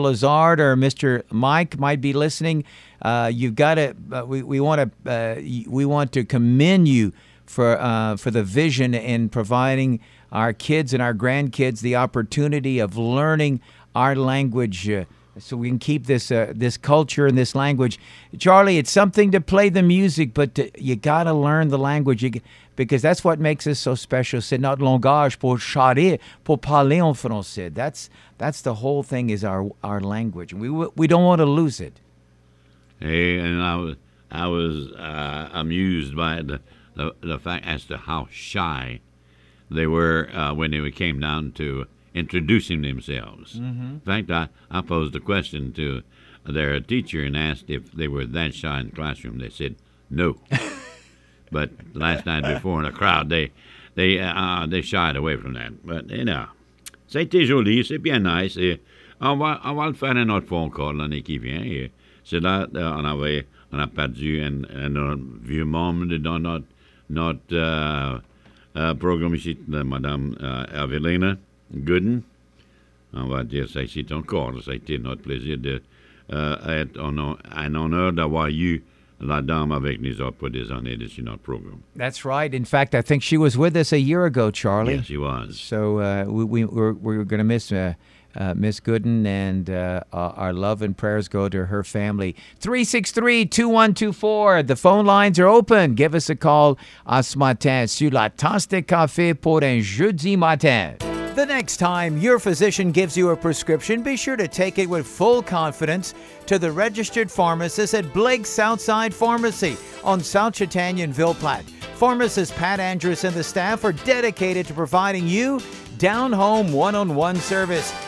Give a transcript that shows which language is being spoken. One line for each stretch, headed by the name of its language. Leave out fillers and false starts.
English: Lazard or Mr. Mike might be listening. We want to commend you for the vision in providing our kids and our grandkids the opportunity of learning our language so we can keep this culture and this language. Charlie, it's something to play the music, but you got to learn the language because that's what makes us so special.
French: C'est notre langage pour charrier, pour parler en français.
English: That's the whole thing is our language. We don't want to lose it. Hey, and I was amused by the fact as to how shy they were when it came down to introducing themselves. Mm-hmm. In fact, I posed a question to their teacher and asked if they were that shy in the classroom. They said no. But last night before in a crowd, they shied away from that. But, you know,
French: c'était joli, c'est bien nice. Et on va le faire un autre fois encore l'année qui vient. Et c'est là on a perdu un vieux membre dans notre programme ici, Madame Avelina Gooden. On va dire ça ici encore. Ça a été notre plaisir de être un honneur d'avoir eu la dame avec nous autres pour des années de sur notre programme.
English: That's right. In fact, I think she was with us a year ago, Charlie. Yes, she was. So we're going to miss Miss Gooden, and our love and prayers go to her family. 363-2124. The phone lines are open. Give us a call
French: à ce matin sur la tasse de café pour un jeudi matin.
English: The next time your physician gives you a prescription, be sure to take it with full confidence to the registered pharmacist at Blake's Southside Pharmacy on South Chatan and Villeplaine. Pharmacist Pat Andrews and the staff are dedicated to providing you down-home one-on-one service.